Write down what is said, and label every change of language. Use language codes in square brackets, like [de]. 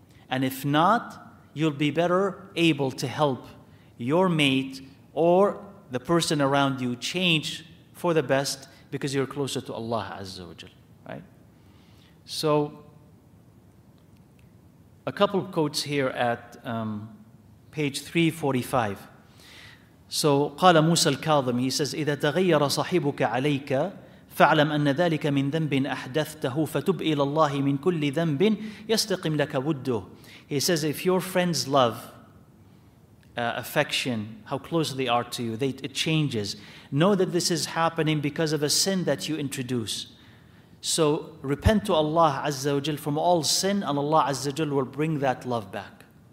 [en] And if not, you'll be better able to help your mate or the person around you change for the best because you're closer to Allah Azza wa Jal, right? So, a couple of quotes here at page 345. [ar] So, قال موسى الكاظم, [en] he says, [ar] إذا تغير صاحبك عليك فعلم أن ذلك من ذنب أحدثته فتب إلى الله من كل ذنب يستقم لك وده. [en] He says, if your friends love, affection, how close they are to you, it changes. Know that this is happening because of a sin that you introduce. So repent to Allah Azza wa Jal from all sin, and Allah Azza wa Jal will bring that love back.